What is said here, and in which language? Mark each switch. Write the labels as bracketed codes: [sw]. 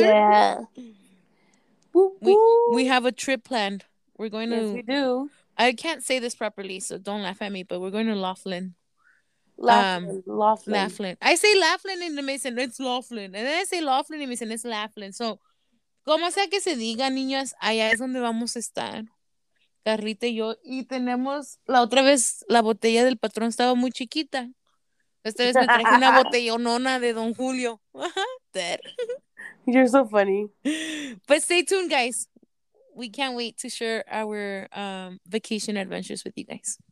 [en] Yeah. We have a trip planned. We're going to... Yes, we do. I can't say this properly, so don't laugh at me, but we're going to Laughlin. Laughlin. I say Laughlin in the Mason, it's Laughlin. And then I say Laughlin in the Mason, it's Laughlin. [es] So, como sea que se diga, niñas, allá es donde vamos a estar. Carlita y yo. Y tenemos... La otra vez, la botella del patrón estaba muy chiquita. Esta vez me traje una botellonona de Don Julio. [en] You're so funny. But stay tuned, guys. We can't wait to share our vacation adventures with you guys.